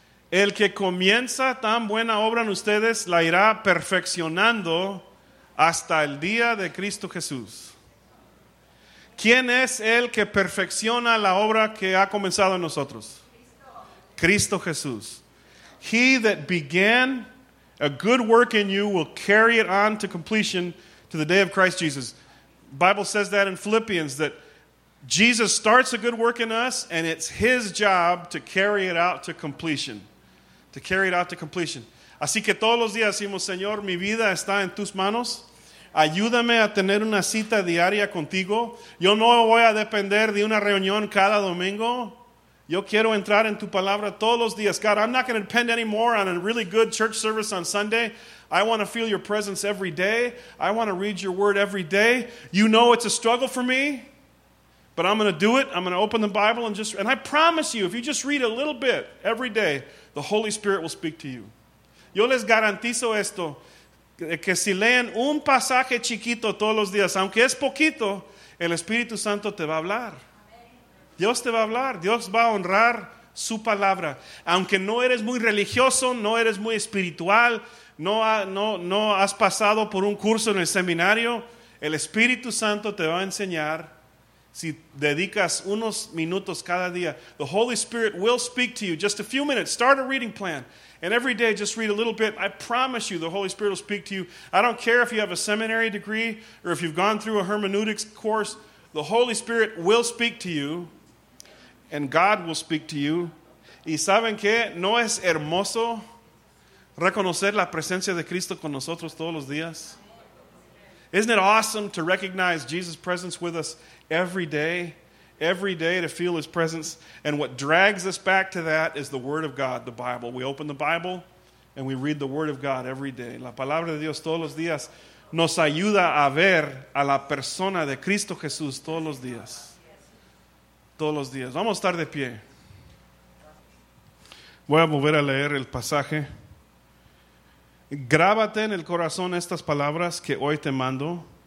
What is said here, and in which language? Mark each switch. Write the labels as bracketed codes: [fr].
[es] El que comienza tan buena obra en ustedes la irá perfeccionando hasta el día de Cristo Jesús. ¿Quién es el que perfecciona la obra que ha comenzado en nosotros? Cristo Jesús. [en] He that began a good work in you will carry it on to completion to the day of Christ Jesus. The Bible says that in Philippians, that Jesus starts a good work in us, and it's his job to carry it out to completion. To carry it out to completion. [es] Así que todos los días decimos, Señor, mi vida está en tus manos. Ayúdame a tener una cita diaria contigo. Yo no voy a depender de una reunión cada domingo. Yo quiero entrar en tu palabra todos los días. [en] God, I'm not going to depend anymore on a really good church service on Sunday. I want to feel your presence every day. I want to read your word every day. You know it's a struggle for me, but I'm going to do it. I'm going to open the Bible and just... And I promise you, if you just read a little bit every day, the Holy Spirit will speak to you. [es] Yo les garantizo esto, que si leen un pasaje chiquito todos los días, aunque es poquito, el Espíritu Santo te va a hablar. Dios te va a hablar, Dios va a honrar su palabra. Aunque no eres muy religioso, no eres muy espiritual, no has pasado por un curso en el seminario, el Espíritu Santo te va a enseñar si dedicas unos minutos cada día. [en] The Holy Spirit will speak to you. Just a few minutes, start a reading plan. And every day, just read a little bit. I promise you, the Holy Spirit will speak to you. I don't care if you have a seminary degree or if you've gone through a hermeneutics course. The Holy Spirit will speak to you, and God will speak to you. [es] ¿Y saben qué? ¿No es hermoso reconocer la presencia de Cristo con nosotros todos los días? [en] Isn't it awesome to recognize Jesus' presence with us every day to feel his presence? And what drags us back to that is the Word of God, the Bible. We open the Bible, and we read the Word of God every day. [es] La palabra de Dios todos los días nos ayuda a ver a la persona de Cristo Jesús todos los días. Todos los días. Vamos a estar de pie. Voy a volver a leer el pasaje. Grábate en el corazón estas palabras que hoy te mando.